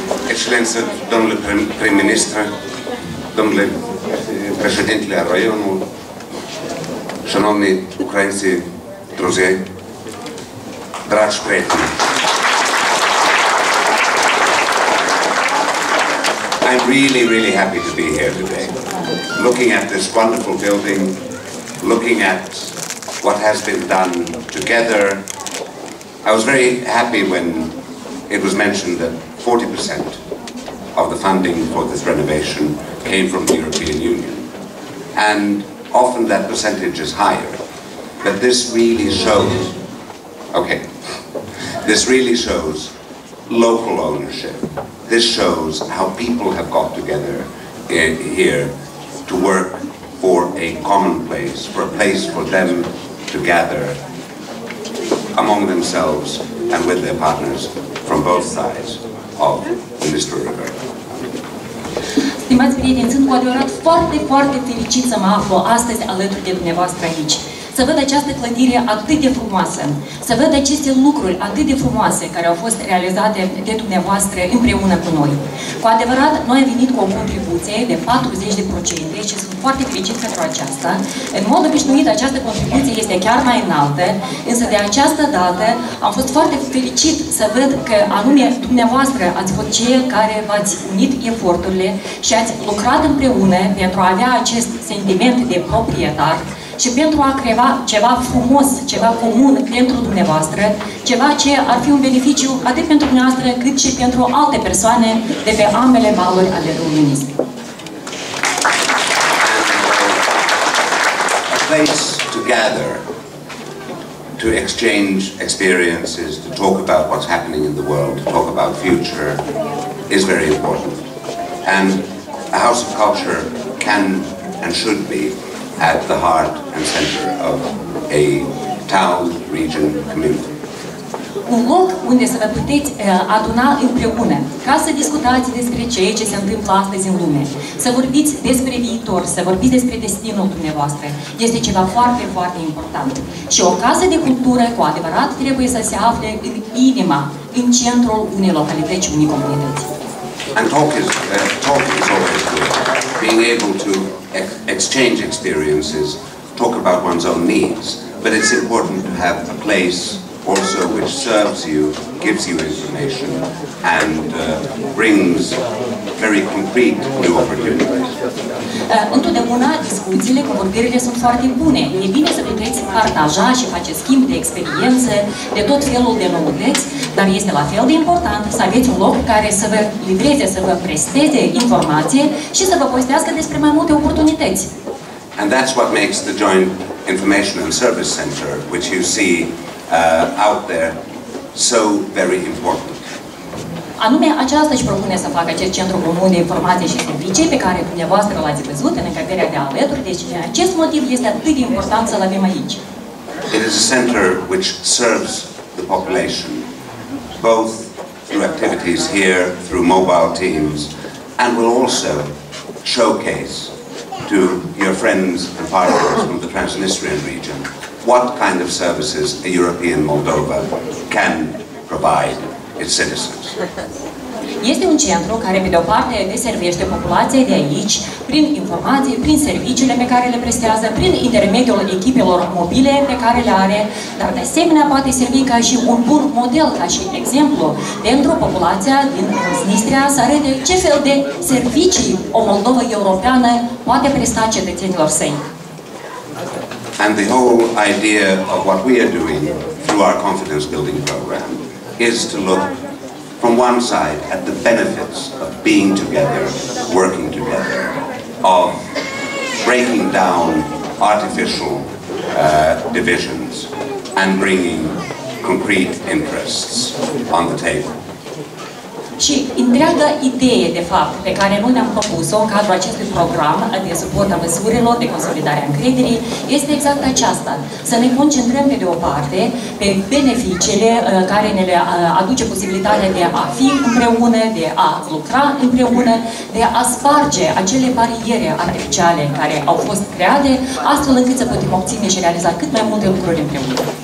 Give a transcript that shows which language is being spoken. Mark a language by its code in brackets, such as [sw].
[ro] Excelență, domnule prim-ministru, domnule președintele raionului, [uk] șanovni ucrainții, druzei, [ro] dragi prieteni. [en] I'm really, really happy to be here today, looking at this wonderful building, looking at what has been done together. I was very happy when it was mentioned that 40% of the funding for this renovation came from the European Union. And often that percentage is higher. But this really shows, okay, this really shows local ownership. This shows how people have got together here to work for a common place, for a place for them to gather among themselves and with their partners from both sides of the Dnistru River. [ro] Stimați prieteni, sunt cu adevărat foarte, foarte fericit să mă aflu astăzi alături de dumneavoastră aici. Să văd această clădire atât de frumoasă, să văd aceste lucruri atât de frumoase care au fost realizate de dumneavoastră împreună cu noi. Cu adevărat, noi am venit cu o contribuție de 40% și sunt foarte fericit pentru aceasta. În mod obișnuit, această contribuție este chiar mai înaltă, însă de această dată am fost foarte fericit să văd că anume dumneavoastră ați fost cei care v-ați unit eforturile și ați lucrat împreună pentru a avea acest sentiment de proprietar și pentru a crea ceva frumos, ceva comun pentru dumneavoastră, ceva ce ar fi un beneficiu atât pentru dumneavoastră, cât și pentru alte persoane de pe ambele valuri ale României. [en] A place to gather, to exchange experiences, to talk about what's happening in the world, to talk about future, is very important. And a house of culture can and should be at the heart and center of a town, region, community. [ro] Un loc unde să vă puteți aduna împreună, ca să discutați despre ceea ce se întâmplă astăzi în lume, să vorbiți despre viitor, să vorbiți despre destinul dumneavoastră, este ceva foarte, foarte important. Și o casă de cultură, cu adevărat, trebuie să se afle în inima, în centrul unei localități, unei comunități. [en] And talk is always good. Being able to exchange experiences, talk about one's own needs, but it's important to have a place also which serves you, gives you information, and brings very concrete new opportunities. [ro] Întotdeauna discuțiile, convorbirile sunt foarte bune. E bine să puteți partaja și face schimb de experiențe, de tot felul de noutăți, dar este la fel de important să aveți un loc care să vă livreze, să vă presteze informație și să vă povestească despre mai multe oportunități. [en] And that's what makes the Joint Information and Service Center, which you see out there, so very important. [ro] Anume, aceasta își propune să facă acest centru comun de informații și servicii pe care dumneavoastră l-ați văzut în încăperea de alături, deci de acest motiv este atât de important să-l avem aici. [en] It is a center which serves the population, both through activities here, through mobile teams, and will also showcase to your friends and partners from the Transnistrian region what kind of services a European Moldova can provide its citizens. [ro] Este un centru care, pe de-o parte, deservește populația de aici prin informații, prin serviciile pe care le prestează, prin intermediul echipelor mobile pe care le are, dar de asemenea poate servi ca și un bun model, ca și exemplu pentru populația din Transnistria să arate ce fel de servicii o Moldova europeană poate presta cetățenilor săi. [en] And the whole idea of what we are doing through our confidence building program is to look from one side at the benefits of being together, working together, of breaking down artificial divisions, and bringing concrete interests on the table. [ro] Și întreaga idee, de fapt, pe care noi ne-am propus-o în cadrul acestui program de suport a măsurilor de consolidare a încrederii, este exact aceasta. Să ne concentrăm, pe de o parte, pe beneficiile care ne le aduce posibilitatea de a fi împreună, de a lucra împreună, de a sparge acele bariere artificiale care au fost create, astfel încât să putem obține și realiza cât mai multe lucruri împreună.